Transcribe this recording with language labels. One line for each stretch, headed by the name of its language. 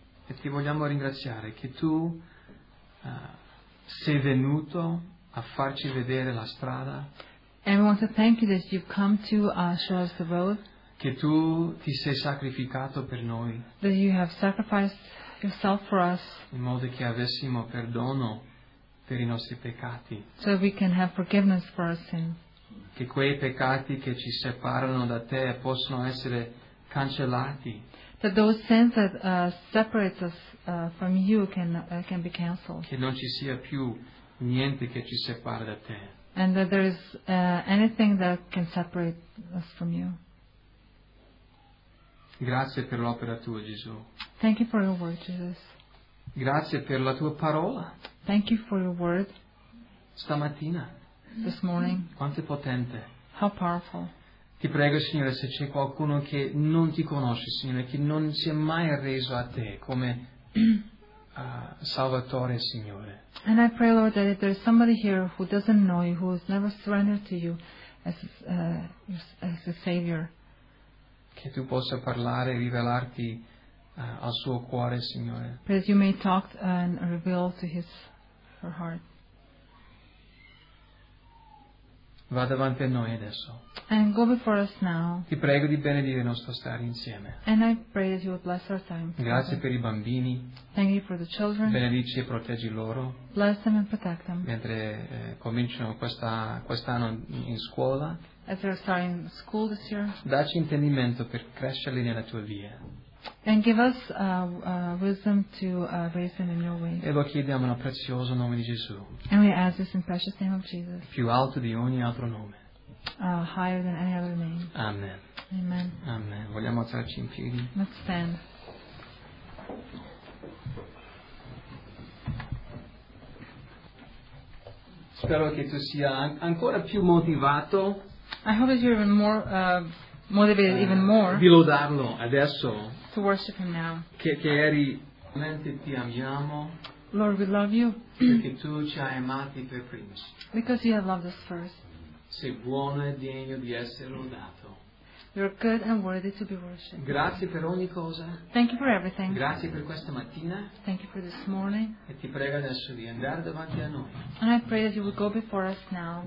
Italian: E ti vogliamo ringraziare che tu sei venuto a farci vedere la strada.
English: And we want to thank you that you've come to show us the road.
Italian: Che tu ti sei sacrificato per noi.
English: That you have sacrificed yourself for us.
Italian: In modo che avessimo perdono per i nostri peccati.
English: So we can have forgiveness for our sin.
Italian: Che quei peccati che ci separano da te possono essere cancellati.
English: That those sins that separate us from you can be cancelled.
Italian: Che non ci sia più niente che ci separa da te.
English: And that there is anything that can separate us from you.
Italian: Grazie per l'opera tua, Gesù.
English: Thank you for your word, Jesus.
Italian: Grazie per la tua parola.
English: Thank you for your word.
Italian: Stamattina.
English: This morning.
Italian: Quanto è potente.
English: How powerful.
Italian: Ti prego, Signore, se c'è qualcuno che non ti conosce, Signore, che non si è mai arreso a te come Salvatore, Signore.
English: And I pray, Lord, that if there is somebody here who doesn't know you, who has never surrendered to you as a Savior,
Italian: che tu possa parlare e rivelarti al suo cuore, Signore.
English: Pray that you may talk and reveal to her heart.
Italian: Va davanti a noi adesso.
English: And go before us now.
Italian: Ti prego di benedire il nostro stare insieme.
English: And I pray that you will bless our time.
Italian: Grazie per i bambini.
English: Thank you for the children.
Italian: Benedici e proteggi loro.
English: Bless them and protect them.
Italian: Mentre cominciano quest'anno in scuola.
English: As they're starting school this year.
Italian: Dacci intendimento per crescerli nella tua via.
English: And give us wisdom to raise them in your way.
Italian: E lo chiediamo nel prezioso nome di Gesù.
English: And we ask this in precious name of Jesus.
Italian: Più alto di ogni altro nome.
English: Higher than any other name. Amen. Amen.
Italian: Amen. Vogliamo alzarci in piedi?
English: Let's stand.
Italian: Spero che tu sia ancora più motivato.
English: I hope that you're even more motivated even more.
Italian: Di lodarlo adesso.
English: To worship him now.
Italian: Che eri mente ti amiamo.
English: Lord, we love you.
Italian: Perché tu ci hai amati per primi.
English: Because you have loved us first.
Italian: Sei buono e degno di essere lodato.
English: You're good and worthy to be worshipped.
Italian: Grazie per ogni cosa.
English: Thank you for everything.
Italian: Grazie per questa mattina.
English: Thank you for this morning.
Italian: E ti prego adesso di andare davanti a noi.
English: And I pray that you will go before us now.